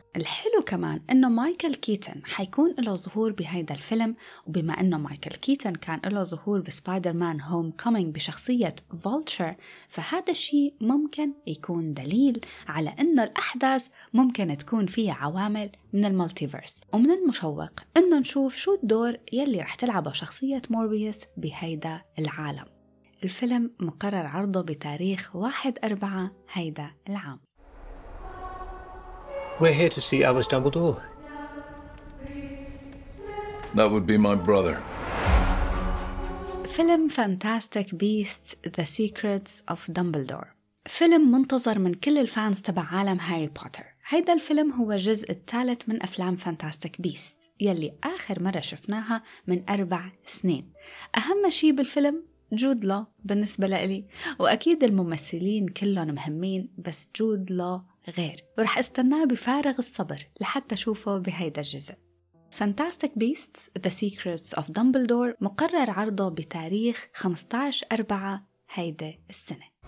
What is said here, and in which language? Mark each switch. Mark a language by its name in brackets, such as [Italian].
[Arabic] الحلو كمان أنه مايكل كيتن حيكون له ظهور بهيدا الفيلم، وبما أنه مايكل كيتن كان له ظهور بسبايدر مان هوم كومينج بشخصية فولتشر، فهذا الشيء ممكن يكون دليل على أنه الأحداث ممكن تكون فيها عوامل من المالتيفيرس. ومن المشوق أنه نشوف شو الدور يلي رح تلعبه شخصية موربيوس بهيدا العالم. الفيلم مقرر عرضه بتاريخ 1/4 هيدا العام. [English] We're here to see Albus Dumbledore. That would be my brother. [Arabic] فيلم Fantastic Beasts: The Secrets of Dumbledore. فيلم منتظر من كل الفانز تبع عالم هاري بوتر. هيدا الفيلم هو الجزء الثالث من أفلام Fantastic Beasts يلي آخر مرة شفناها من 4 سنين. أهم شيء بالفيلم جود لو بالنسبة لي، وأكيد الممثلين كلهم مهمين، بس جود لو غير، ورح استناه بفارغ الصبر لحتى شوفه بهيدا الجزء. Fantastic Beasts: The Secrets of Dumbledore مقرر عرضه بتاريخ 15/4 هيدا السنة.